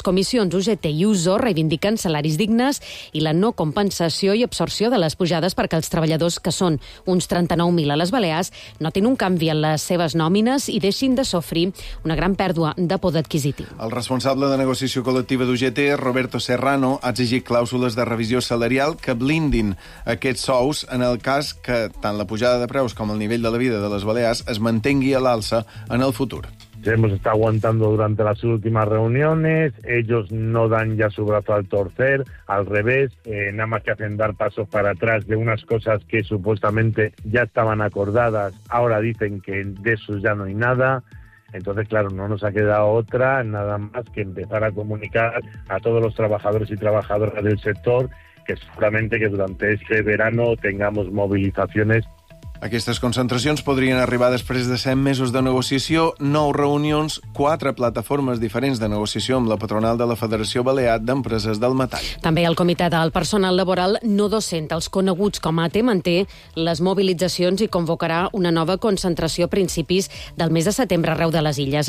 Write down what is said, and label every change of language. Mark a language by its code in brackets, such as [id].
[ca] Comissions, UGT i USO reivindiquen salaris dignes i la no compensació i absorció de les pujades perquè els treballadors, que són uns 39.000 a les Balears, notin un canvi en les seves nòmines i deixin de sofrir una gran pèrdua de poder adquisitiu. El responsable de negociació col·lectiva d'UGT, Roberto Serrano, ha exigit clàusules de revisió salarial que blindin aquests sous en el cas que tant la pujada de preus com el nivell de la vida de les Balears es mantingui a l'alça en el futur. [es] Hemos estado aguantando durante las últimas reuniones, ellos no dan ya su brazo al torcer, al revés, nada más que hacen dar pasos para atrás de unas cosas que supuestamente ya estaban acordadas, ahora dicen que de eso ya no hay nada. Entonces, claro, no nos ha quedado otra nada más que empezar a comunicar a todos los trabajadores y trabajadoras del sector que seguramente que durante este verano tengamos movilizaciones. [ca] Aquestes concentracions podrien arribar després de 7 mesos de negociació, 9 reunions, 4 plataformes diferents de negociació amb la patronal de la Federació Balear d'Empreses del Metall. També el Comitè del Personal Laboral no docent, els coneguts com a AT, manté les mobilitzacions i convocarà una nova concentració a principis del mes de setembre arreu de les illes.